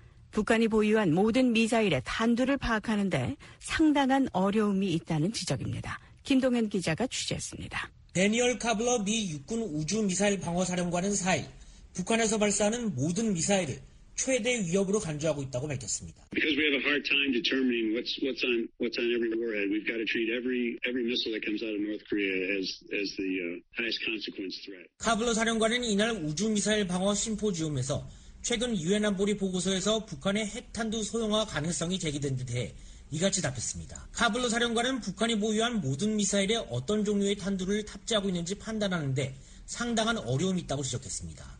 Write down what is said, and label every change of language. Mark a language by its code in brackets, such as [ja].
[ko] 북한이 보유한 모든 미사일의 탄두를 파악하는 데 상당한 어려움이 있다는 지적입니다. 김동현 기자가 취재했습니다. 대니얼 카블러 미 육군 우주미사일 방어사령관은 4일 북한에서 발사하는 모든 미사일을 최대 위협으로 간주하고 있다고 밝혔습니다. [en] Because we have a hard time determining what's on every warhead, we've got to treat every missile that comes out of North Korea as the highest consequence threat. [ko] 카블러 사령관은 이날 우주 미사일 방어 심포지엄에서 최근 유엔 안보리 보고서에서 북한의 핵탄두 소형화 가능성이 제기된 데 대해 이같이 답했습니다. 카블러 사령관은 북한이 보유한 모든 미사일에 어떤 종류의 탄두를 탑재하고 있는지 판단하는데 상당한 어려움이 있다고 지적했습니다.